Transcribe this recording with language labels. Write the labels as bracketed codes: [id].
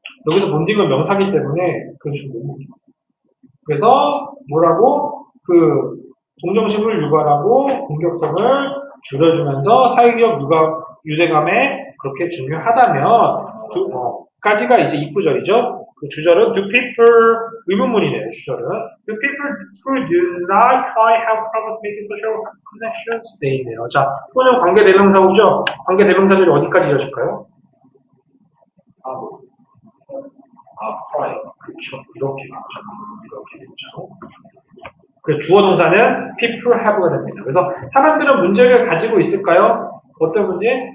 [ko] 여기서 bonding은 명사기 때문에 그건 좀 못 묶어. 그래서 뭐라고 그 동정심을 유발하고 공격성을 줄여주면서 사회적 유대감에 그렇게 중요하다면 까지가 이제 입구절이죠. 그 주절은 [en] Do people [ko] 의문문이네요. [en] 주절은 Do people who do not have problems making social connections [ko] 되어있네요. 자, 이거는 관계 대명사고죠. 관계 대명사절이 어디까지 이어질까요? 아프라이 그쵸. 이렇게 이렇게 되죠. 그래서 주어 동사는 [en] people have [ko] 가 됩니다. 그래서 사람들은 문제를 가지고 있을까요? 어떤 문제?